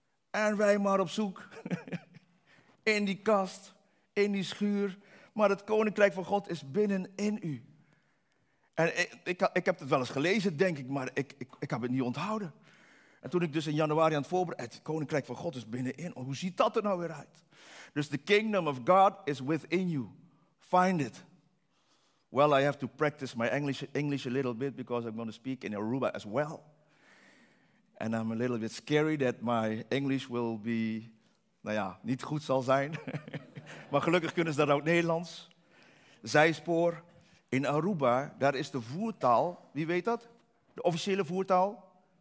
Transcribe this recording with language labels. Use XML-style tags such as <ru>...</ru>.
<nl>En wij maar op zoek, in die kast, in die schuur, maar het koninkrijk van God is binnenin u. En ik heb het wel eens gelezen, denk ik, maar ik heb het niet onthouden. En toen ik dus in januari aan het voorbereiden, het koninkrijk van God is binnenin. Hoe ziet dat er nou weer uit?</nl> <en>Dus the kingdom of God is within you. Find it. Well, I have to practice my English a little bit because I'm going to speak in Aruba as well. And I'm a little bit scary that my English will be,</en> <nl>nou ja, niet goed zal zijn. Maar gelukkig kunnen ze dat ook Nederlands. Zijspoor. In Aruba, daar is de voertaal, wie weet dat? De officiële voertaal?</nl>